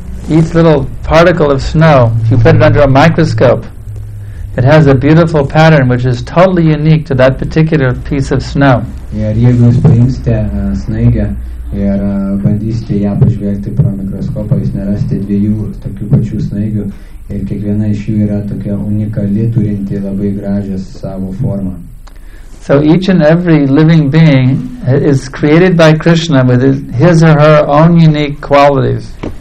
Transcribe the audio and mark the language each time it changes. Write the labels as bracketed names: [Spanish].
[English] Each little particle of snow, if you put it under a microscope, it has a beautiful pattern which is totally unique to that particular piece of snow. [Lithuanian] Ir jeigu jūs paimsite snaigę ir bandysite ją pažvelgti pro mikroskopą, jūs nerasite dviejų tokių pačių snaigių ir kiekviena iš jų yra tokia unikali, turinti labai gražią savo formą. [English] So each and every living being is created by Krishna with his or her own unique qualities.